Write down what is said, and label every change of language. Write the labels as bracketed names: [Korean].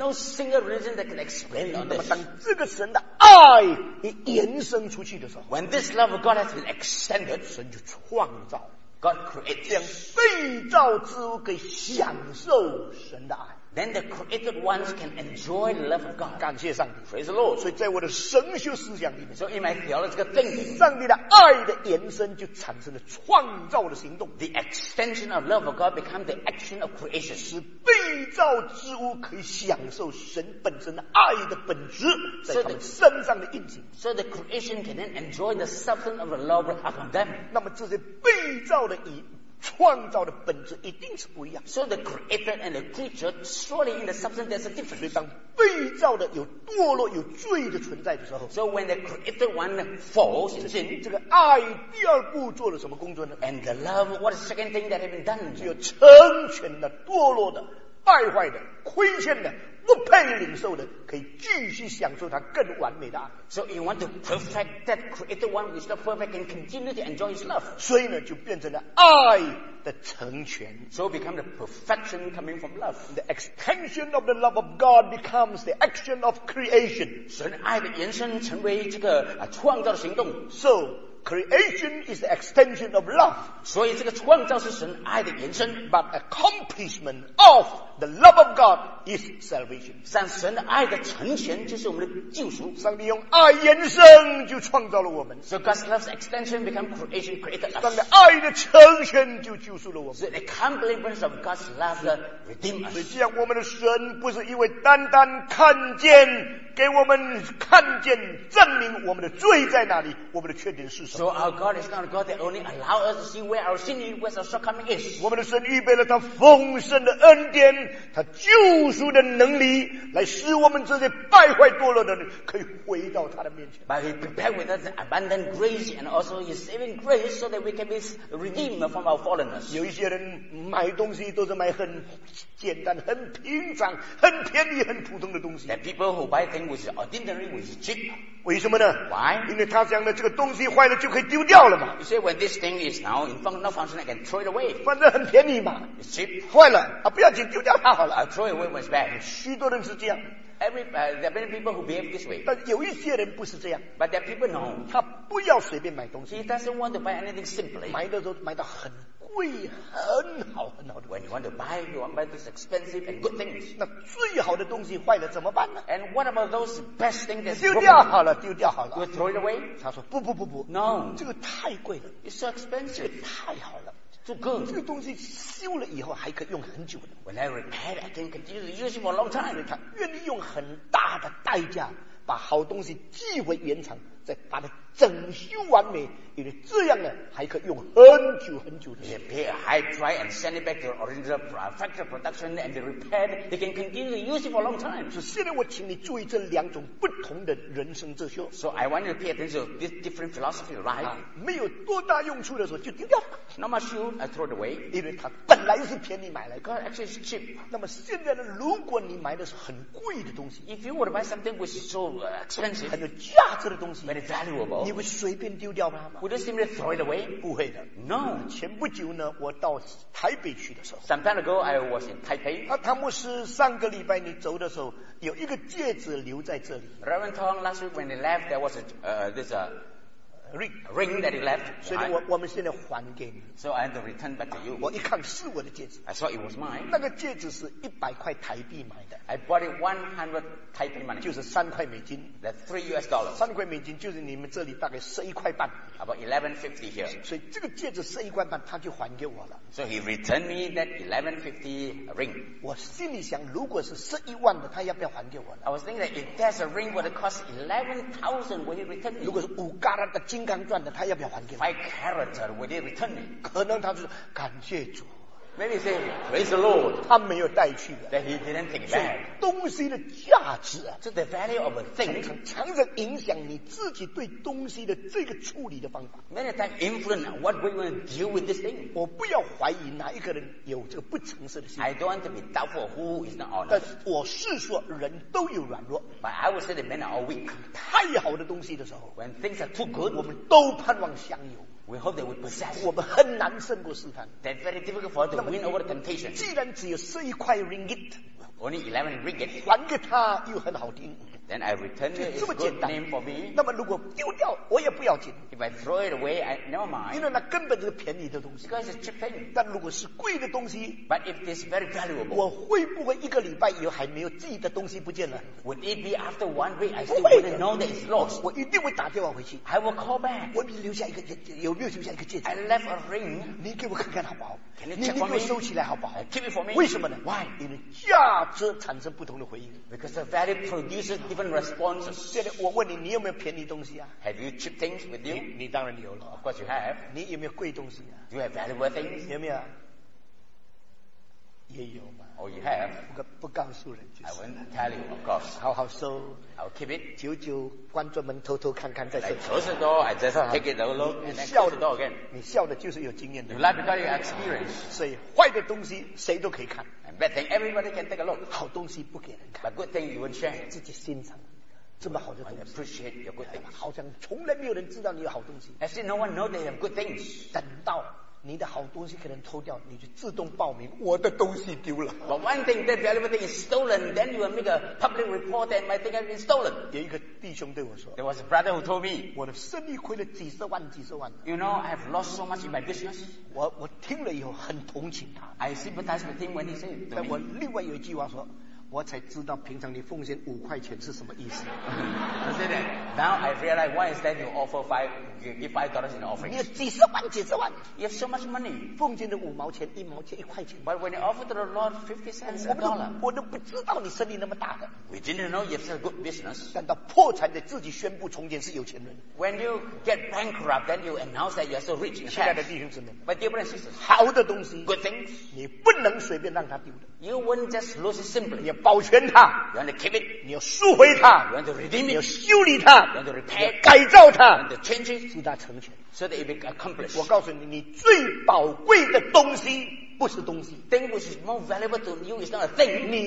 [English] There's no single religion that can explain all this. [Chinese] 那么当这个神的爱延伸出去的时候 [English] ，When this love of God has been extended, [Chinese] 神就创造 [English] ，God created, [Chinese] 让被造之物可以享受神的爱。 [English] Then the created ones can enjoy the love of God. [Chinese] 感谢上帝 [English] ，Praise the Lord. [Chinese] 所以在我的神学思想里面 [English] ，So in my theological thinking, [Chinese] 上帝的爱的延伸就产生了创造的行动。 [English] The extension of love of God becomes the action of creation. [Chinese] 使被造之物可以享受神本身的爱的本质在他们身上的印记。 [English] So the creation can then enjoy the substance of the love upon them. [Chinese] 那么这些被造的以创造的本质一定是不一样。 [English] So the creator and the creature surely in the substance there's a difference. [Chinese] 所以当被造的有堕落有罪的存在的时候 [English] ，So when the created one falls in sin, [Chinese] 这个爱第二步做了什么工作呢 [English] ？And the love, what is the second thing that has been done? [Chinese] 只有成全的堕落的败坏的亏欠的不配领受的，可以继续享受他更完美的爱。 [English] So you want to perfect that created one which is not perfect and continue to enjoy his love. [Chinese] 所以呢，就变成了爱的成全。 [English] So become the perfection coming from love. The extension of the love of God becomes the action of creation. [Chinese] 神爱的延伸成为这个创造的行动。 [English] So creation is the extension of love. [Chinese] 所以这个创造是神爱的延伸。 [English] But accomplishment of the love of God is salvation. [Chinese] 像神的爱的成全就是我们的救赎。上帝用爱延伸就创造了我们。 [English] So God's love's extension become creation created us. [Chinese] 上帝爱的成全就救赎了我们。 [English] So the accomplishment of God's love redeemed us. [Chinese] 所以这样我们的神不是因为单单看见给我们看见证明我们的罪在哪里，我们的缺点是什么。 [English] So our God is not a God that only allows us to see where our sin is, where our shortcoming is. [Chinese] 我们的神预备了他丰盛的恩典，他救赎的能力，来使我们这些败坏堕落的人可以回到他的面前。 [English] But he prepared with us abundant grace and also his saving grace so that we can be redeemed from our fallenness. [Chinese] 有一些人买东西都是买很简单、很平常、很便宜、很普通的东西。 [English] The people who buy things which are ordinary, which is cheap. [Chinese] 为什么呢 [English] ？Why？ [Chinese] 因为他想呢，这个东西坏了就可以丢掉了嘛。 [English] You say when this thing is now in not functioning, I can throw it away. [Chinese] 反正很便宜嘛。 [English] It's cheap. [Chinese] 坏了啊，不要紧。丢掉它好了 [English] I'll throw it away when it's bad. [Chinese] 许多人是这样 [English] there are many people who behave this way. [Chinese] 但有一些人不是这样 [English] But there are people know. [Chinese] 他不要随便买东西 [English] He doesn't want to buy anything simply. [Chinese] 买的时候买的很贵很好很好的 [English] When you want to buy, you want to buy those expensive and good things. [Chinese] 那最好的东西坏了怎么办呢 [English] And what about those best things that's broken? [Chinese] 丢掉好了丢掉好了 [English] You'll throw it away? [Chinese] 他说不不不不 [English] No. [Chinese] 这个太贵了 [English] It's so expensive. [Chinese] 太好了 [English] Too good. [Chinese] 这个东西修了以后还可以用很久的。 [English] When I repair it, I can continue to use it for a long time. [Chinese] 他愿意用很大的代价把好东西寄回原厂，再把它整修完美，因为这样呢还可以用很久很久的。 [English] He pay a high price and send it back to original factory production and be repaired. He can continue to use it for a long time. [Chinese] 所以现在我请你注意这两种不同的人生哲学。 [English] So I want you to pay attention to this different philosophy, right?、啊、 [Chinese] 没有多大用处的时候就丢掉。 [English] No much use, I throw it away. [Chinese] 因为它本来是便宜买来的 [English] ，actually is cheap. [Chinese] 那么现在呢，如果你买的是很贵的东西 [English] ，If you were to buy something which is so expensive, [Chinese] 很有价值的东西 [English] ，very valuable. [Chinese] 你会随便丢掉吗 [English] Would you simply throw it away? [Chinese] 不会的 [English] No [Chinese] 前不久呢我到台北去的时候 [English] Some time ago I was in Taipei、 [Chinese] 啊、汤牧师上个礼拜你走的时候有一个戒指留在这里 [English] Reverend Tong last week when he left there was a, this, a ring that he left. So I had to return back to you. [Chinese] 我一看是我的戒指, [English] I saw it was mine. [Chinese] 那个戒指是100块台币买的, [English] I bought it 100 Taipei money. [Chinese] 就是3块美金, [English] that's $3. [Chinese] 3块美金就是你们这里大概11块半, [English] about 11.50 here. [Chinese] 所以这个戒指11块半, 他就还给我了, [English] so he returned me that 11.50 ring. [Chinese] 我心里想, 如果是11万的, 他要不要还给我了? [English] I was thinking that if there's a ring would cost 11,000, will he return me? [Chinese] 如果是5carat的, 金刚钻的, 他要不要还给我? [English] 5carat, will he return me? [Chinese] 可能他就说感谢主, [English] maybe say praise the Lord, [Chinese] 他没有带去的, [English] that he didn't take back. [Chinese] 所以东西的价值, [English] so the value of a thing, [Chinese] 常常影响你自己对东西的这个处理的方法, [English] many times influence what we will deal with this thing. [Chinese] 我不要怀疑哪一个人有这个不诚实的心, [English] I don't want to be doubtful who is not honest, [Chinese] 但是我是说人都有软弱, [English] but I would say that men are all weak. [Chinese] 太好的东西的时候, [English] when things are too good, [Chinese] 我们都盼望享有, [English] we hope they would possess. [Chinese] 我们很难胜过试探, [English] that's very difficult for us to win over the temptation. [Chinese] 既然只有11块 ringgit, [English] only 11 ringgit, [Chinese] 还给他又很好听, [English] then I return it, it's a good name for me. [Chinese] 那么如果丢掉, 我也不要紧, [English] if I throw it away, I never mind, [Chinese] 因为那根本就是便宜的东西, [English] because it's cheap thing. [Chinese] 但如果是贵的东西, [English] but if it's very valuable, [Chinese] 我会不会一个礼拜以后还没有自己的东西不见了? [English] Would it be after 1 week I still wouldn't know that it's lost? [Chinese] 我一定会打电话回去, [English] I will call back. [Chinese] 我留下一个戒指, [English] I left a ring, [Chinese] 你给我看看好不好? [English] Can you check for me? [Chinese] 你给我收起来好不好? [English] Keep it for me. [Chinese] 为什么呢? [English] Why? [Chinese] 因为价值产生不同的回应, [English] because the value produces different responses. [Chinese] 我问你, 你有没有便宜东西啊? [English] Have you cheap things with you? [Chinese] 你当然有了, [English] of course you have. [Chinese] 你有没有贵东西啊? [English] Do you have valuable things? [Chinese] 有没有? 也有吗? [English] Oh, you have. [Chinese] 不告诉人就是, [English] I won't tell you, of course. [Chinese] 好好收, [English] I'll keep it. [Chinese] 久久关着门偷偷看看再收, [English] like close the door, I just take it a little, [Chinese] 你笑, [English] and then close the door again. [Chinese] 你笑的就是有经验的, [English] you laugh because you have experience. [Chinese] 所以坏的东西谁都可以看, [English] and bad thing everybody can take a look. [Chinese] 好东西不给人看, [English] but good thing you won't share. [Chinese] 自己欣赏, 这么好的东西, [English] I appreciate your good things. [Chinese] 好像从来没有人知道你有好东西, [English] as if no one knows they have good things. [Chinese] 等到 你的好东西可能偷掉, 你就自动报名, 我的东西丢了, [English] but one thing, that valuable thing is stolen, then you will make a public report that my thing has been stolen. [Chinese] 有一个弟兄对我说, [English] there was a brother who told me, [Chinese] 我的生意亏了几十万, 几十万, [English] you know, I have lost so much in my business. [Chinese] 我听了以后很同情他, [English] I sympathize with him when he said to me. [Chinese] 但我另外有一句话说, 我才知道平常你奉献5块钱是什么意思。 [English] I said that now I realize why is that you offer give $5 in the offering. [Chinese] 你有几十万几十万, [English] you have so much money. [Chinese] 奉献的5毛钱1毛钱1块钱, [English] but when you offer to the Lord 50 cents a dollar, [Chinese] 我都不知道你生意那么大的。 [English] We didn't know you have a good business. [Chinese] 但到破产的自己宣布从前是有钱人。 [English] When you get bankrupt, then you announce that you are so rich in cash. [Chinese] 亲爱的弟兄姊妹, [English] but dear brothers and sisters, [Chinese] 好的东西, [English] good things, [Chinese] 你不能随便让它丢的。 [English] You won't just lose it simply. [Chinese] 你要保全它, [English] you want to keep it. [Chinese] 你要赎回它, [English] you want to redeem it. [Chinese] 你要修理它, [English] you want to repair it. [Chinese] 改造它, [English] you want to change it. [Chinese] 使它成全, [English] so that it be accomplished. [Chinese] 我告诉你, 你最宝贵的东西, 不是东西, [English] thing which is more valuable to you is not a thing.